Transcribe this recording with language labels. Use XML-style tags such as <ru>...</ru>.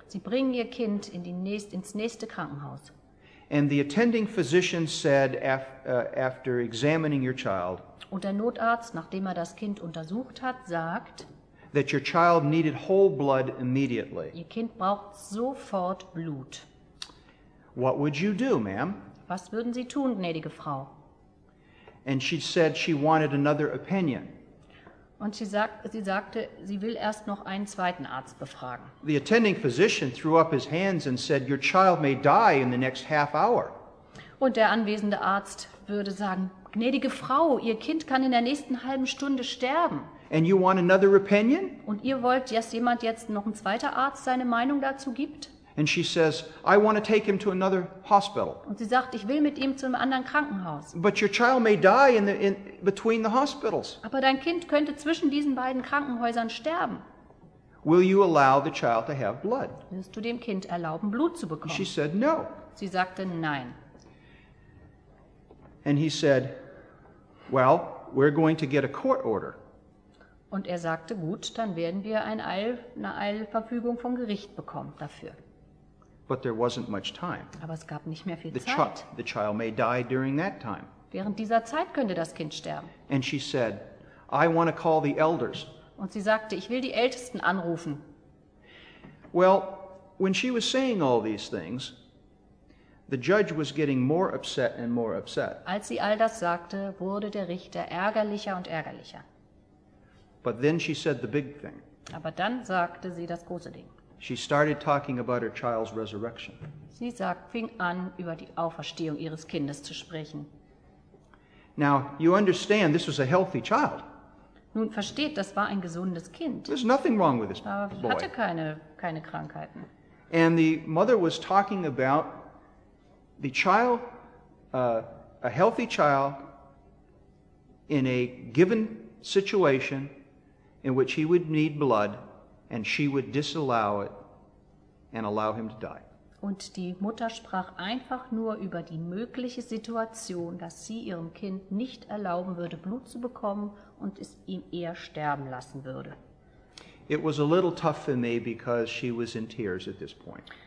<de>Sie bringen ihr Kind ins nächste Krankenhaus.</de> <en>And the attending physician said after examining your child.</en> <de>Und der Notarzt, nachdem das Kind untersucht hat, sagt,</de> <en>that your child needed whole blood immediately.</en> <de>Ihr Kind braucht sofort Blut.</de> <en>What would you do, ma'am?</en> <de>Was würden Sie tun, gnädige Frau?</de> <en>And she said she wanted another opinion.</en> <de>Und sie sagte, sie will erst noch einen zweiten Arzt befragen.</de> <en>The attending physician threw up his hands and said, your child may die in the next half hour.</en> <de>Und der anwesende Arzt würde sagen, gnädige Frau, Ihr Kind kann in der nächsten halben Stunde sterben.</de> <en>And you want another opinion?</en> <de>Und ihr wollt, dass jemand jetzt noch ein zweiter Arzt seine Meinung dazu gibt?</de> <en>And she says, I want to take him to another hospital.</en> <de>Und sie sagt, ich will mit ihm zu einem anderen Krankenhaus.</de> <en>But your child may die in between the hospitals.</en> <de>Aber dein Kind könnte zwischen diesen beiden Krankenhäusern sterben.</de> <en>Will you allow the child to have blood?</en> <de>Willst du dem Kind erlauben, Blut zu bekommen?</de> <en>She said, no.</en> <de>Sie sagte, nein.</de> <en>And he said, well, we're going to get a court order.</en> <de>Und er sagte, gut, dann werden wir eine Eilverfügung vom Gericht bekommen dafür.</de> <en>But there wasn't much time.</en> <de>Aber es gab nicht mehr viel</de> <en>the</en> <de>Zeit.</de> <en>The child may die during that time.</en> <de>Während dieser Zeit könnte das Kind sterben.</de> <en>And she said, I want to call the elders.</en> <de>Und sie sagte, ich will die Ältesten anrufen.</de> <en>Well, when she was saying all these things, the judge was getting more upset and more upset.</en> <de>Als sie all das sagte, wurde der Richter ärgerlicher und ärgerlicher.</de> <en>But then she said the big thing.</en> <de>Aber dann sagte sie das große Ding.</de> <en>She started talking about her child's resurrection.</en> <de>Sie sagt, fing an, über die Auferstehung ihres Kindes zu sprechen.</de> <en>Now, you understand, this was a healthy child.</en> <de>Nun, versteht, das war ein gesundes Kind.</de> <en>There's nothing wrong with this</en> <de>Aber</de> <en>boy.</en> <de>Hatte keine Krankheiten.</de> <en>And the mother was talking about the child, a healthy child in a given situation in which he would need blood. And she would disallow it and allow him to die.</en> <de>Und die Mutter sprach einfach nur über die mögliche Situation, dass sie ihrem Kind nicht erlauben würde, Blut zu bekommen und es ihm eher sterben lassen würde.</de> <en>It was a little tough for me because she was in tears at this point.</en>